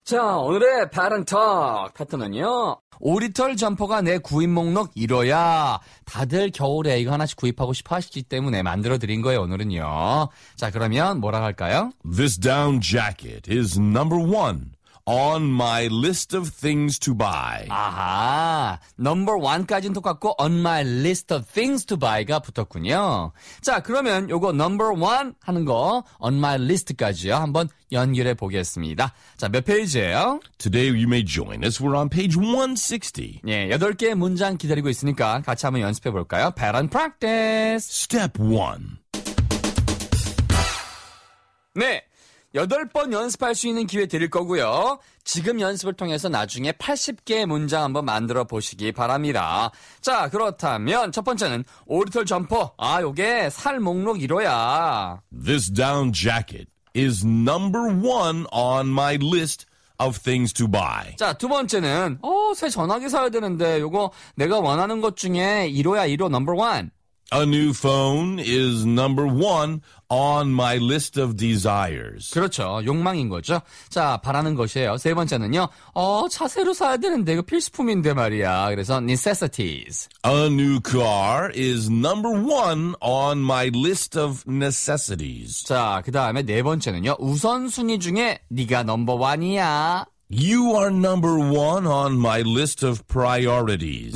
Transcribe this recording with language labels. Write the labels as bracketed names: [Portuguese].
[Korean] 자, 오늘의 바른톡 패턴은요. 5리털 점퍼가 내 구입 목록 1호야. 다들 겨울에 이거 하나씩 구입하고 싶어 하시기 때문에 만들어드린 거예요, 오늘은요. 자, 그러면 뭐라 할까요? [English] This down jacket is number one on my list of things to buy. [Korean] 아하, [English] number one [Korean] 까지는 똑같고 [English] on my list of things to buy [Korean] 가 붙었군요. 자, 그러면 요거 [English] number one [Korean] 하는 거 [English] on my list [Korean] 까지요. 한번 연결해 보겠습니다. 자, 몇 페이지예요? [English] Today you may join us. We're on page 160. [Korean] 예, 여덟 개의 문장 기다리고 있으니까 같이 한번 연습해 볼까요? [English] Pattern practice. Step one. [Korean] 네. 여덟 번 연습할 수 있는 기회 드릴 거고요. 지금 연습을 통해서 나중에 80개의 문장 한번 만들어 보시기 바랍니다. 자, 그렇다면 첫 번째는 오리털 점퍼. 아, 요게 살 목록 1호야. [English] This down jacket is number one on my list of things to buy. [Korean] 자, 두 번째는 새 전화기 사야 되는데 요거 내가 원하는 것 중에 1호야, 1호, [English] number one. A new phone is number one on my list of desires. [Korean] 그렇죠. 욕망인 거죠. 자, 바라는 것이에요. 세 번째는요. 차 새로 사야 되는데 이거 필수품인데 말이야. 그래서 necessities. [English] A new car is number one on my list of necessities. [Korean] 자, 그 다음에 네 번째는요. 우선순위 중에 네가 넘버 원이야. [English] You are number one on my list of priorities.